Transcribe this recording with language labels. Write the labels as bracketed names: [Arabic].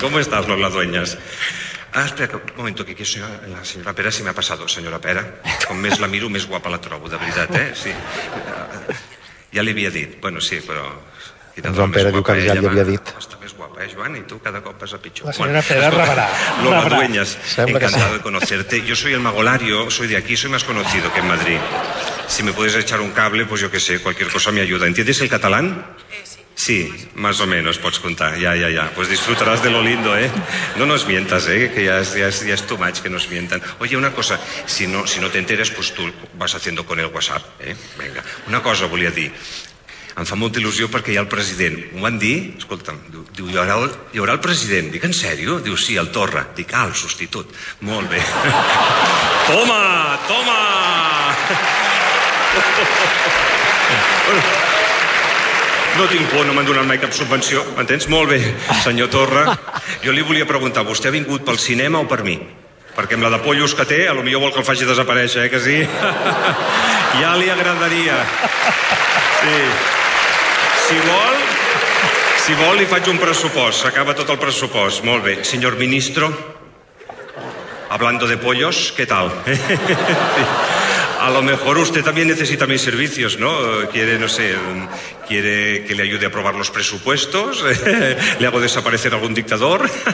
[Catalan] Com estàs, Lola Dueñas? Ah, espera, un moment, aquí la senyora Pera se m'ha passat, senyora Pera. Com més la miro, més guapa la trobo, de veritat, Sí. Ja li havia dit, bueno, sí, però... En Joan Pera diu que ja li havia dit. Està més guapa, Joan, i tu cada cop vas a pitjor. La senyora Pera rebarà. [Spanish] Lola Dueñas, encantado de conocerte. Yo soy el Magolario, soy de aquí, soy más conocido que en Madrid. Si me puedes echar un cable, pues yo qué sé, cualquier cosa me ayuda. ¿Entiendes el catalán? Sí, más o menos, [Catalan] pots contar, [Spanish] ya. Pues disfrutarás de lo lindo, No nos mientas, que ya es [English] too much [Spanish] que nos mientan. Oye, una cosa, si no te enteres, pues tú vas haciendo con el WhatsApp, Venga, una cosa [Catalan] volia dir. em fa molta il·lusió perquè hi ha el president. Ho van dir, escolta'm, diu, hi haurà el president. Dic, en sèrio? Diu, sí, el Torra. Dic, ah, el substitut. Molt bé. Toma, toma! No tinc por, no m'han donat mai cap subvenció. M'entens? Molt bé, senyor Torra. Jo li volia preguntar, vostè ha vingut pel cinema o per mi? Perquè amb la de pollos que té, a lo millor vol que el faci desaparèixer, que sí? Ja li agradaria. Sí. Si vol, li faig un pressupost. S'acaba tot el pressupost. Molt bé. [Spanish] Senyor ministro, hablando de pollos, ¿qué tal? Sí. A lo mejor usted también necesita mis servicios, ¿no? ¿Quiere que le ayude a aprobar los presupuestos? ¿Le hago desaparecer algún dictador?